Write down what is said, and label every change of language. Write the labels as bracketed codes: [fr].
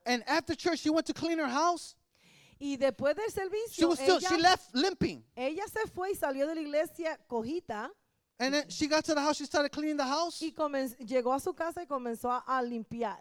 [en] And after church, she went to clean her house. [es] Y después del servicio, [en] she was still, [es] ella, [en] she left limping. [es] Ella se fue y salió de la iglesia cojita. [en] And then she got to the house, she started cleaning the house. [es] Y llegó a su casa y comenzó a limpiar.